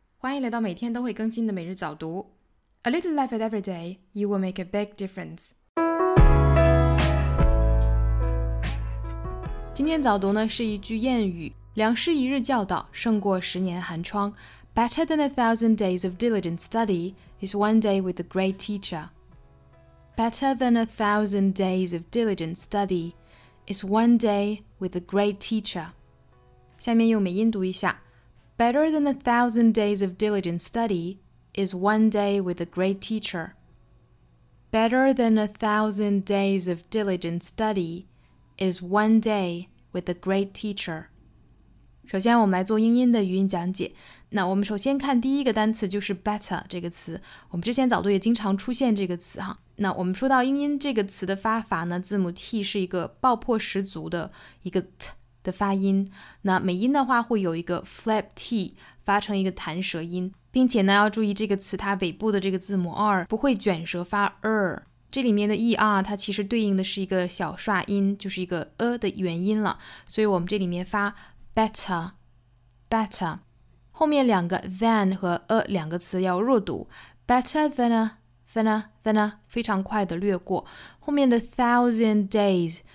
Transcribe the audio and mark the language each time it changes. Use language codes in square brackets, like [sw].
[zh] 欢迎来到每天都会更新的每日早读。 [en] A little life at every day, you will make a big difference. [zh] 今天早读呢是一句谚语，良师一日教导胜过十年寒窗。 [en] Better than 1,000 days of diligent study is 1 day with a great teacher. Better than 1,000 days of diligent study is 1 day with a great teacher. [zh] 下面用美音读一下。 [en] Better than 1,000 days of diligent study is 1 day with a great teacher. Better than 1,000 days of diligent study is 1 day with a great teacher. [zh] 首先我们来做英音的语音讲解。那我们首先看第一个单词就是 better 这个词。我们之前早读也经常出现这个词哈。那我们说到英音这个词的发法呢，字母 T 是一个爆破十足的一个 T。的发音，那美音的话会有一个 flap t 发成一个弹舌音，并且呢要注意这个词它尾部的这个字母 r 不会卷舌发 r， 这里面的 er 它其实对应的是一个小刷音，就是一个 e 的元音了，所以我们这里面发 better better，后面两个 than 和 e 两个词要弱读， better than a than a than a 非常快的略过，后面的 thousand days。